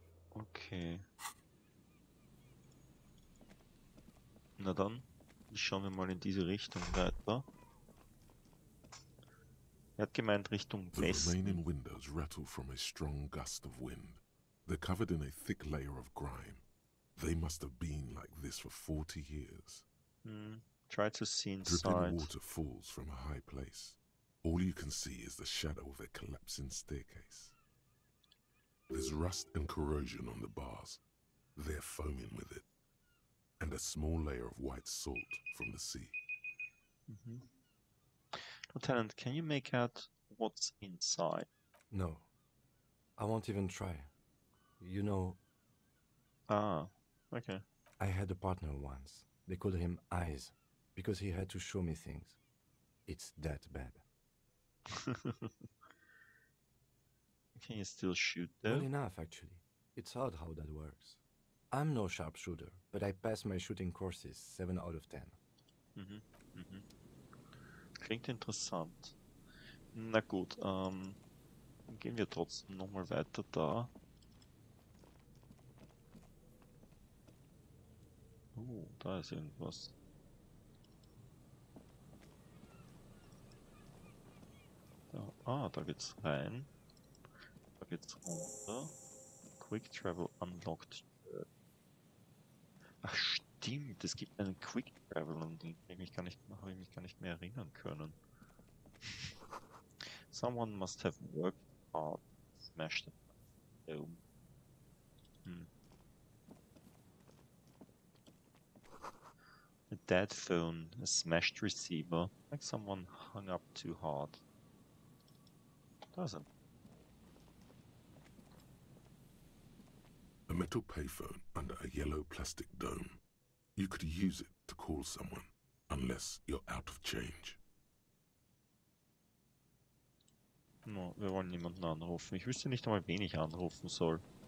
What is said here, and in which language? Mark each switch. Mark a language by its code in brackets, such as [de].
[en] Okay. [de] Na dann, schauen wir mal in diese Richtung weiter. Er hat gemeint Richtung Westen. [en] The remaining windows rattle from a strong gust of wind. They're covered in a thick layer of grime. They must have been like this for 40 years. Try to see inside. Dripping water falls from a high place. All you can see is the shadow of a collapsing staircase. There's rust and corrosion on the bars. They're foaming with it. And a small layer of white salt from the sea. Mm-hmm. Lieutenant, can you make out what's inside? No. I won't even try. You know... Ah, okay. I had a partner once. They called him Eyes, because he had to show me things. It's that bad. Can you still shoot them? Well enough, actually. It's odd how that works. I'm no sharpshooter, but I pass my shooting courses 7 out of 10. [de] Klingt interessant. Na gut, gehen wir trotzdem nochmal weiter da. Oh, da ist irgendwas. Da, da geht's rein. Da geht's runter. [en] Quick Travel unlocked. [de] Ach stimmt, es gibt einen Quick Travel, an den habe ich mich gar nicht mehr erinnern können. [en] Someone must have worked hard and smashed it. A dead phone, a smashed receiver, like someone hung up too hard. Doesn't. A metal payphone under a yellow plastic dome. You could use it to call someone, unless you're out of change. [de] No, wir wollen niemanden anrufen. Ich wüsste nicht einmal, wen ich anrufen soll.